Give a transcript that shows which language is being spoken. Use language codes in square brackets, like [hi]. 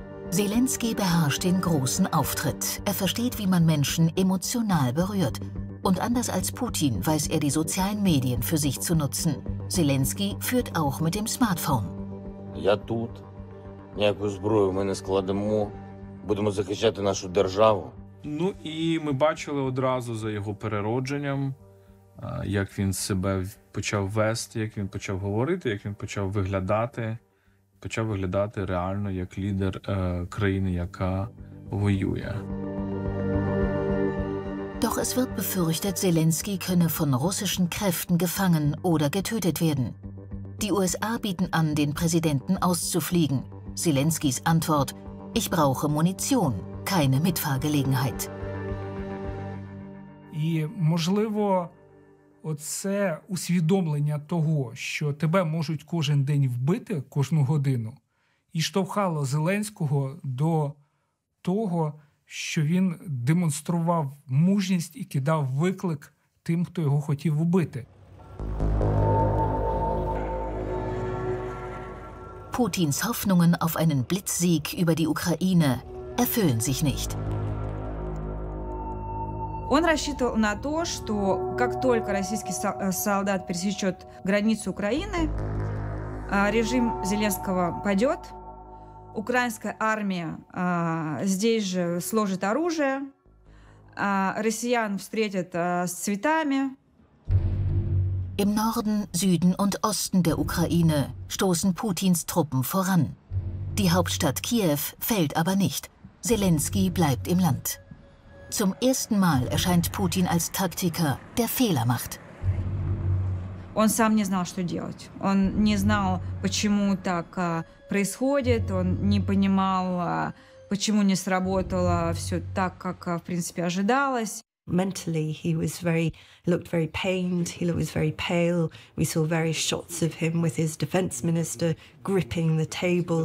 [de] Selenskyj beherrscht den großen Auftritt. Er versteht, wie man Menschen emotional berührt. Und anders als Putin weiß er, die sozialen Medien für sich zu nutzen. Selenskyj führt auch mit dem Smartphone. [uk] Я тут. Ніяку зброю ми не складемо. Будемо захищати нашу державу. Ну і ми бачили одразу за його переродженням, як він себе почав вести, як він почав говорити, як він почав виглядати. Почав виглядати реально як лідер країни, яка воює. [de] Doch es wird befürchtet, Selenskyj könne von russischen Kräften gefangen oder getötet werden. Die USA bieten an, den Präsidenten auszufliegen. Selenskyjs Antwort: Ich brauche Munition, keine Mitfahrgelegenheit. [uk] І можливо, оце усвідомлення того, що тебе можуть кожен день вбити, кожну годину, і штовхало Зеленського до того, що він демонстрував мужність і кидав виклик тим, хто його хотів убити. [de] Путіns Hoffnungen auf einen Blitzsieg über die Ukraine erfüllen sich nicht. [ru] Он рассчитывал на то, что как только российский солдат пересечет границу Украины, режим Зеленского падет. Украинская армия здесь же сложит оружие, россиян встретят с цветами. [de] Im Norden, Süden und Osten der Ukraine stoßen Putins Truppen voran. Die Hauptstadt Kiew fällt aber nicht. Selenskyj bleibt im Land. Zum ersten Mal erscheint Putin als Taktiker, der Fehler macht. [ru] Он сам не знал, что делать. Он не знал, почему так происходит. Он не понимал, почему не сработало все так, как, в принципе, ожидалось. [en] Mentally, he was looked very pained. He was very pale. We saw various shots of him with his defense minister gripping the table.